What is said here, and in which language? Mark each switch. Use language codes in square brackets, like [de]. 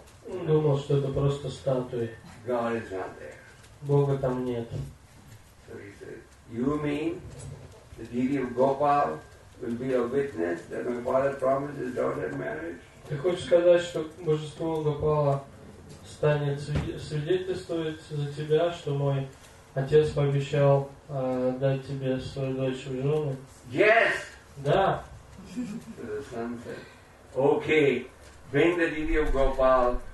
[ru] Он думал, что это просто статуи. [en] God is not there. [ru] Бога там нет. [en] So he said, "You mean the deity of Gopal will be a witness that my father promised his daughter in marriage?" [ru] Ты хочешь сказать, что божество Гопала станет свидетельствовать за тебя, что мой отец пообещал дать тебе свою дочь в жены? [en] Yes. [ru] Да. [en] So the son said, "Okay, bring the deity of Gopal.